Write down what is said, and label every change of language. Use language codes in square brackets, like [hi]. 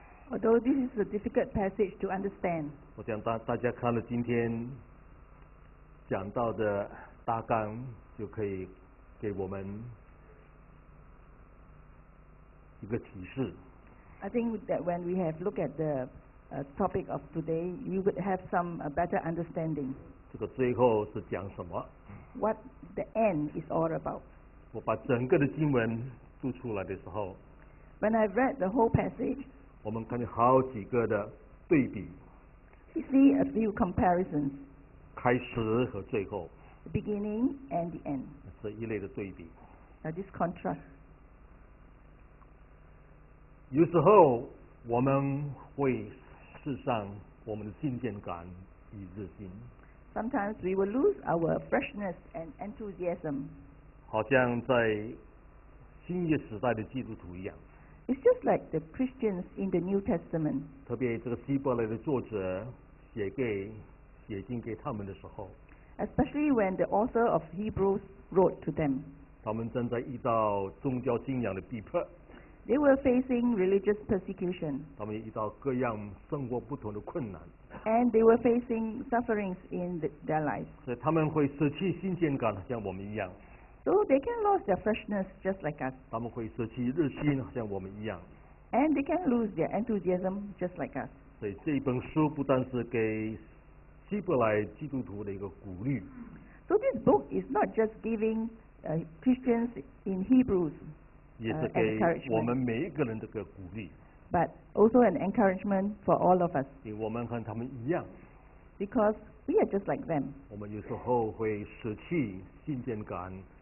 [en] although this is a difficult passage to understand, [zh] 我想大家看了今天讲到的大纲，就可以给我们一个启示。 [en] I think that when we have looked at the topic of today, you would have some better understanding. [zh] 这个最后是讲什么？ [en] What the end is all about. [zh] 我把整个的经文读出来的时候， [en] When I read the whole passage, [zh] 我们看见好几个的对比， [en] You see a few comparisons, [zh] 开始和最后， [en] The beginning and the end, [zh] 这一类的对比， [en] Now this contrast, [zh] 有时候我们会失丧我们的信念感与热心， [en] Sometimes we will lose our freshness and enthusiasm, [zh] 好像在新约时代的基督徒一样， [en] It's just like the Christians in the New Testament. [zh] 特别这个希伯来的作者写给写信给他们的时候。 [en] Especially when the author of Hebrews wrote to them. [zh] 他们正在遇到宗教信仰的逼迫。 [en] They were facing religious persecution. [zh] 他们也遇到各样生活不同的困难。 [en] And they were facing sufferings in their lives. [zh] 所以他们会失去新鲜感，像我们一样。 [en] So they can lose their freshness just like us. [zh] 他们会失去热心，像我们一样。 [en] And they can lose their enthusiasm just like us. [zh] 所以这本书不但是给希伯来基督徒的一个鼓励。 [en] So this book is not just giving Christians in Hebrews. [zh] 也是给我们每一个人的一个鼓励。 [en] But also an encouragement for all of us. [zh] 因为我们和他们一样。 [en] Because we are just like them. [zh] 我们有时候会失去新鲜感。